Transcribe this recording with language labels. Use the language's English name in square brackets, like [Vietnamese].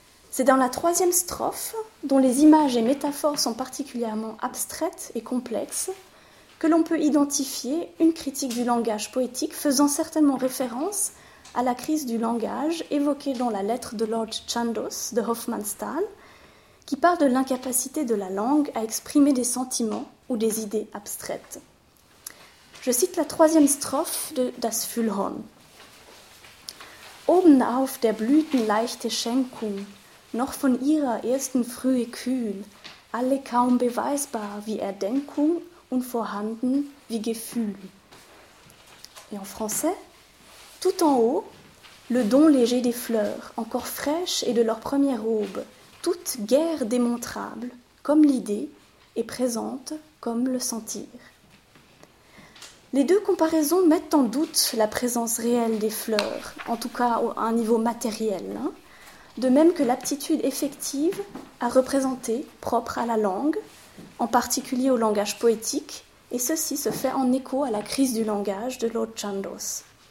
[French] C'est dans la troisième strophe, dont les images et métaphores sont particulièrement abstraites et complexes, que l'on peut identifier une critique du langage poétique faisant certainement référence à la crise du langage évoquée dans la lettre de Lord Chandos de Hofmannsthal, qui parle de l'incapacité de la langue à exprimer des sentiments ou des idées abstraites. Je cite la troisième strophe de Das Füllhorn. [German] Oben auf der Blüten leichte Schenkung, noch von ihrer ersten Frühe kühl, alle kaum beweisbar wie Erdenkung und vorhanden wie Gefühl. [French] Et en français, tout en haut, le don léger des fleurs, encore fraîches et de leur première aube, toute guère démontrable, comme l'idée, et présente comme le sentir. Les deux comparaisons mettent en doute la présence réelle des fleurs, en tout cas à un niveau matériel, hein, de même que l'aptitude effective à représenter, propre à la langue, en particulier au langage poétique, et ceci se fait en écho à la crise du langage de Lord Chandos.